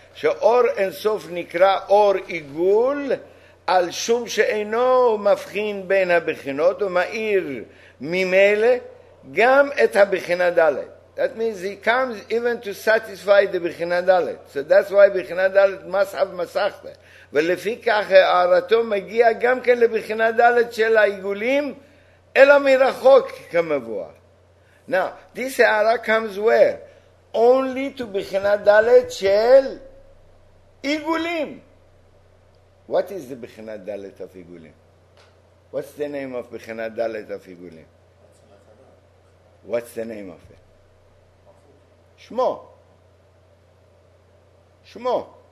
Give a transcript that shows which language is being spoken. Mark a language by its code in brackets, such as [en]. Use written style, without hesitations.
[he] שאור אינסוף נקרא אור עיגול, על שום שאינו מבחין בין הבחינות, ומאיר ממילא גם את הבחינה ד'. [en] That means he comes even to satisfy the בחינה ד'. So that's why בחינה ד' must have מסכתה. [he] ולפי כך הערתו מגיע גם כן לבחינה ד' של העיגולים, אלא מרחוק כמבוא. [en] Now, this הערה comes where? Only to בחינה ד' של... Igulim. What is the Bechina Dalet of Igulim? What's the name of Bechina Dalet of Igulim? What's the name of it? Shmo. Shmo.